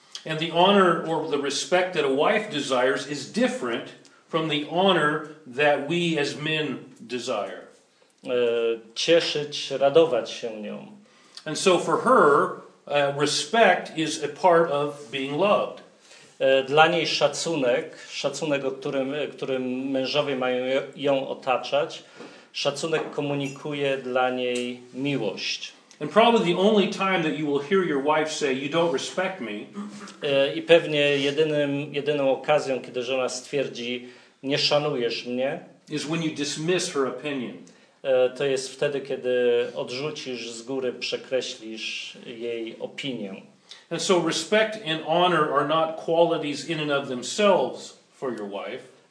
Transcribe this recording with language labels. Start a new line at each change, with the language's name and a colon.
English: And the honor or the respect that a wife desires is different from the honor that we as men desire.
Polish: Cieszyć, radować się nią.
English: And so for her, respect is a part of being loved.
Polish: Dla niej szacunek, o którym mężowie mają ją otaczać, szacunek komunikuje dla niej miłość.
English: And probably the only time that you will hear your wife say, you don't respect me.
Polish: I pewnie jedyną okazją, kiedy żona stwierdzi, nie szanujesz mnie,
English: is when you dismiss her opinion.
Polish: To jest wtedy, kiedy odrzucisz z góry, przekreślisz jej opinię.
English: And so respect and honor are not qualities in and of themselves for your wife.